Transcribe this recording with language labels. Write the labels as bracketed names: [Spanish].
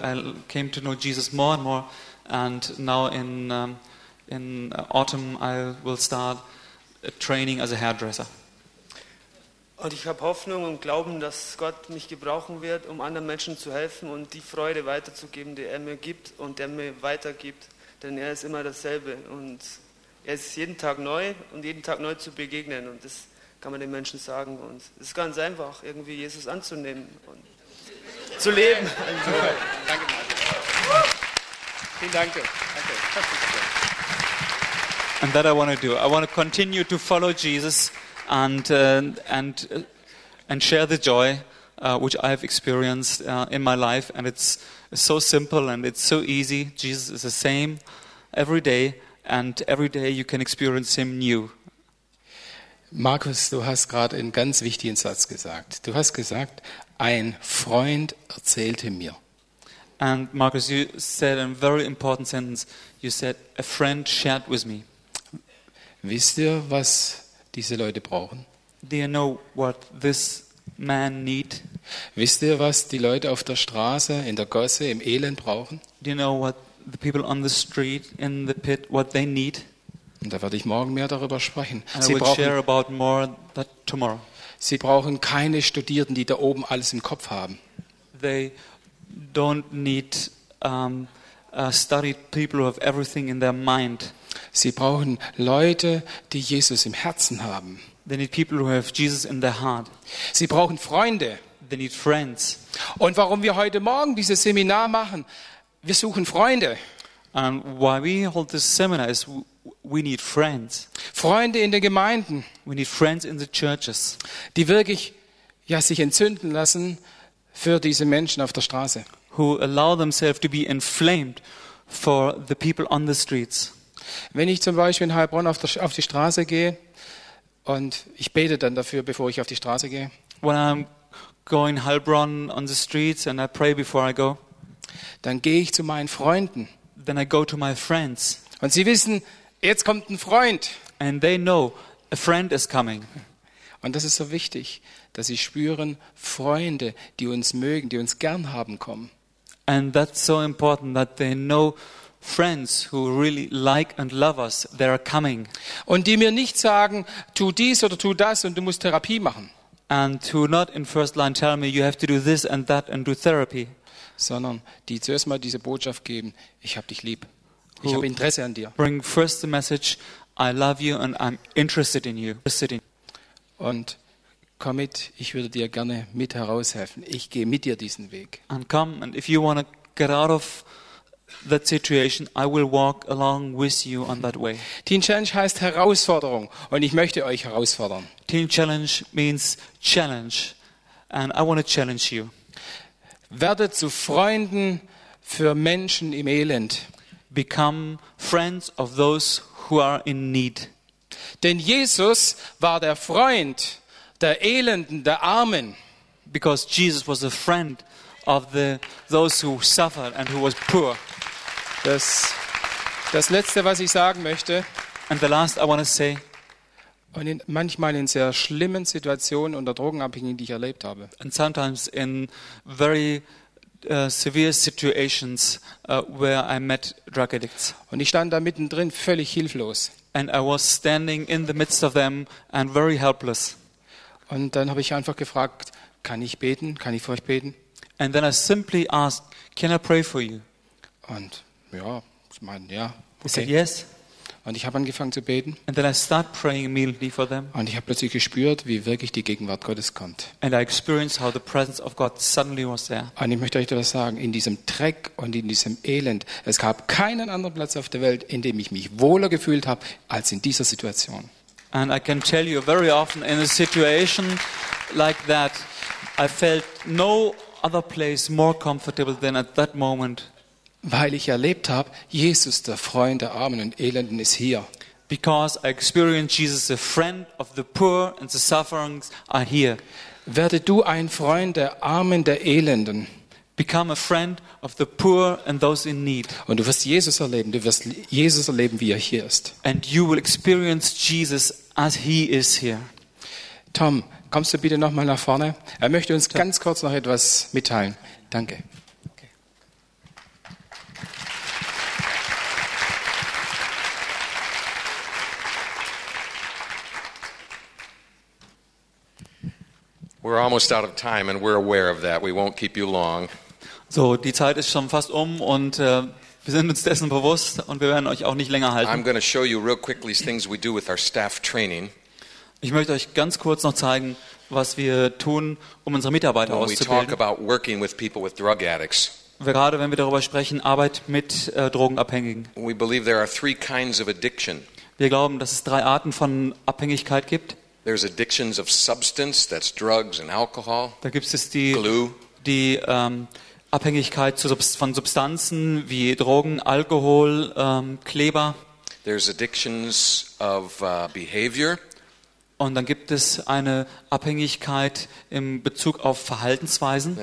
[English] I came to know Jesus more and more, and now in autumn I will start a training as a hairdresser. [German] Und ich habe Hoffnung und Glauben, dass Gott mich gebrauchen wird, um anderen Menschen zu helfen und die Freude weiterzugeben, die er mir gibt und der mir weitergibt, denn er ist immer dasselbe und er ist jeden Tag neu und jeden Tag neu zu begegnen und das kann man den Menschen sagen und es ist ganz einfach, irgendwie Jesus anzunehmen und zu leben. Also, danke, Martin. Vielen Dank. [English] And that I want to do. I want to continue to follow Jesus and share the joy which I have experienced in my life. And it's so simple and it's so easy. Jesus is the same every day, and every day you can experience him new. [German] Markus, du hast gerade einen ganz wichtigen Satz gesagt. Du hast gesagt, ein Freund erzählte mir. [English] And Markus, you said a very important sentence. You said, a friend shared with me. [German] Wisst ihr, was diese Leute brauchen? [English] Do you know what this man need? [German] Wisst ihr, was die Leute auf der Straße, in der Gosse, im Elend brauchen? [English] Do you know what the people on the street, in the pit, what they need? [German] Und da werde ich morgen mehr darüber sprechen. Sie brauchen, [English] share about more that tomorrow. [German] Sie brauchen keine Studierten, die da oben alles im Kopf haben. [English] They don't need studied people who have everything in their mind. [German] Sie brauchen Leute, die Jesus im Herzen haben. [English] They need people who have Jesus in their heart. [German] Sie brauchen Freunde. [English] They need friends. [German] Und warum wir heute Morgen dieses Seminar machen, wir suchen Freunde. [English] And why we hold this seminar is we need friends. [German] Freunde in den Gemeinden. [English] We need friends in the churches. [German] Die wirklich ja, sich entzünden lassen für diese Menschen auf der Straße. [English] Who allow themselves to be inflamed for the people on the streets. [German] Wenn ich zum Beispiel in Heilbronn auf die Straße gehe und ich bete dann dafür, bevor ich auf die Straße gehe. [English] When I'm going Heilbronn on the streets and I pray before I go. [German] Dann gehe ich zu meinen Freunden. [English] Then I go to my friends. [German] Und sie wissen, jetzt kommt ein Freund. [English] And they know a friend is coming. [German] Und das ist so wichtig, dass sie spüren, Freunde, die uns mögen, die uns gern haben, kommen. [English] And that's so important that they know friends who really like and love us, they are coming. [German] Und die mir nicht sagen, tu dies oder tu das und du musst Therapie machen. [English] And who not in first line tell me you have to do this and that and do therapy. [German] Sondern die zuerst mal diese Botschaft geben, ich hab dich lieb. Ich habe Interesse an dir. [English] Bring first the message, I love you and I'm interested in you. [German] Und komm mit, ich würde dir gerne mit heraushelfen. Ich gehe mit dir diesen Weg. [English] And come, and if you want to get out of that situation, I will walk along with you on that way. [German] Teen Challenge heißt Herausforderung und ich möchte euch herausfordern. [English] Teen Challenge means challenge and I want to challenge you. [German] Werdet zu Freunden für Menschen im Elend. [English] Become friends of those who are in need. [German] Denn Jesus war der Freund der Elenden, der Armen. [English] Because Jesus was a friend of the those who suffered and who was poor. [German] Das letzte, was ich sagen möchte. [English] And the last I want to say. [German] Und in, manchmal in sehr schlimmen Situationen unter Drogenabhängigen, die ich erlebt habe. [English] And sometimes in very severe situations where I met drug addicts. [German] Und ich stand da mittendrin völlig hilflos. [English] And I was standing in the midst of them and very helpless. [German] Und dann habe ich einfach gefragt, kann ich beten? Kann ich für euch beten? [English] And then I simply asked, can I pray for you? [German] Und ja, ich meine, ja. [English] Okay. I said yes. [German] Und ich habe angefangen zu beten. [English] And then I start praying immediately for them. [German] Und ich habe plötzlich gespürt, wie wirklich die Gegenwart Gottes kommt. [English] And I experienced how the presence of God suddenly was there. [German] Und ich möchte euch etwas sagen, in diesem Dreck und in diesem Elend, es gab keinen anderen Platz auf der Welt, in dem ich mich wohler gefühlt habe, als in dieser Situation. [English] And I can tell you very often in a situation like that, I felt no other place more comfortable than at that moment. [German] Weil ich erlebt habe, Jesus, der Freund der Armen und Elenden, ist hier. [English] Because I experienced Jesus, the friend of the poor and the sufferings, are here. [German] Werde du ein Freund der Armen, der Elenden. [English] Become a friend of the poor and those in need. [German] Und du wirst Jesus erleben. Du wirst Jesus erleben, wie er hier ist. [English] And you will experience Jesus as he is here. [German] Tom, kommst du bitte noch mal nach vorne? Er möchte uns ganz kurz noch etwas mitteilen. Danke. [English] We're almost out of time and we're aware of that. We won't keep you long. [German] So, die Zeit ist schon fast um und wir sind uns dessen bewusst und wir werden euch auch nicht länger halten. [English] I'm going to show you real quickly things we do with our staff training. [German] Ich möchte euch ganz kurz noch zeigen, was wir tun, um unsere Mitarbeiter auszubilden. [English] We talk about working with people with drug addicts. [German] Gerade wenn wir darüber sprechen, Arbeit mit Drogenabhängigen. [English] We believe there are three kinds of addiction. [German] Wir glauben, dass es drei Arten von Abhängigkeit gibt. [English] There's addictions of substance, that's drugs and alcohol. [German] Da gibt es die Abhängigkeit von Substanzen wie Drogen, Alkohol, Kleber. [English] There's addictions of behavior. [German] Und dann gibt es eine Abhängigkeit in Bezug auf Verhaltensweisen.